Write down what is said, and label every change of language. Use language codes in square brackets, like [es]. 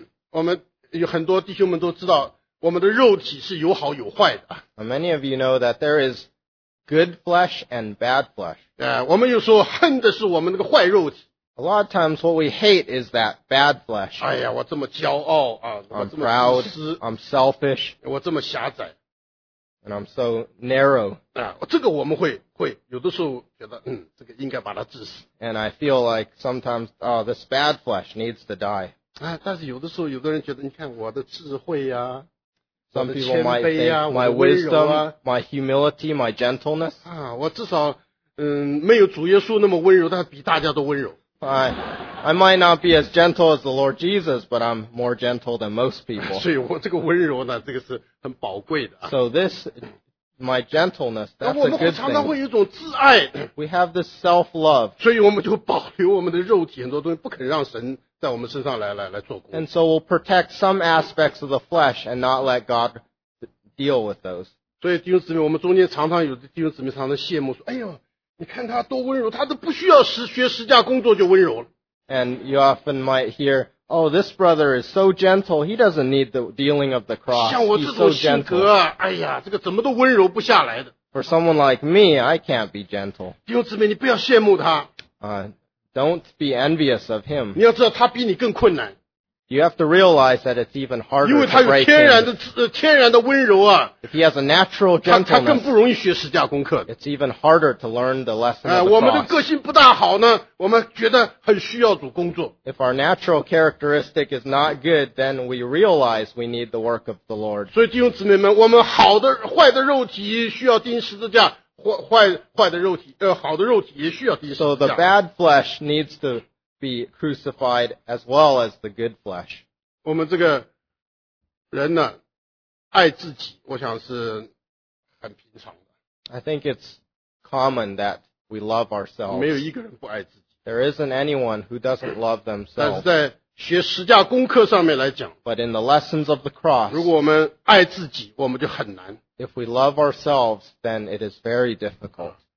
[zh] 我们有很多弟兄们都知道我们的肉体是有好有坏的。 [en] Many of you know that there is good flesh and bad flesh. [zh] 我们有时候恨的是我们那个坏肉体。 [en] A lot of times what we hate is that bad flesh. [zh] 哎呀我这么骄傲啊。 [en] I'm proud. I'm selfish. [zh] 我这么狭窄。 [en] And I'm so narrow. [zh] 这个我们会有的时候觉得这个应该把它致死。 [en] And I feel like sometimes, oh, this bad flesh needs to die. [zh] 但是有的时候有的人觉得你看我的智慧啊 [en] Some people might think my wisdom, my humility, my gentleness. [zh] 我至少没有主耶稣那么温柔但比大家都温柔。 [en] I might not be as gentle as the Lord Jesus, but I'm more gentle than most people. [zh] 所以我这个温柔呢这个是很宝贵的。 [en] So this, my gentleness, that's a good thing. [zh] 我们常常会有一种自爱。 [en] We have this self-love. [zh] 所以我们就保留我们的肉体很多东西不肯让神在我们身上来做工。 [en] And so we'll protect some aspects of the flesh and not let God deal with those. [zh] 所以弟兄姊妹，我们中间常常有的弟兄姊妹常常羡慕说，哎呦，你看他多温柔，他都不需要学十架工作就温柔了。 [en] And you often might hear, oh, this brother is so gentle, he doesn't need the dealing of the cross. [zh] 像我这种性格，哎呀，这个怎么都温柔不下来的。 [en] For someone like me, I can't be gentle. [zh] 弟兄姊妹，你不要羡慕他。 [en] Don't be envious of him. [zh] 你要知道他比你更困难。 [en] You have to realize that it's even harder to break him. [zh] 因为他有天然的温柔啊。 [en] If he has a natural gentleness, [zh] 他更不容易学十架功课。 [en] It's even harder to learn the lesson of the cross. [zh] 我们的个性不大好呢，我们觉得很需要主工作。 [en] If our natural characteristic is not good, then we realize we need the work of the Lord. [zh] 所以弟兄姊妹们，我们好的坏的肉体需要钉十字架。好的肉体也需要钉十字架。 [en] So the bad flesh needs to be crucified as well as the good flesh. [zh] 我们这个人呢，爱自己，我想是很平常的。 [en] I think it's common that we love ourselves. [zh] 没有一个人不爱自己。 [en] There isn't anyone who doesn't love themselves. [zh] 但是在学十架功课上面来讲， [en] but in the lessons of the cross, [zh] 如果我们爱自己，我们就很难。 [en] If we love ourselves, then it is very difficult.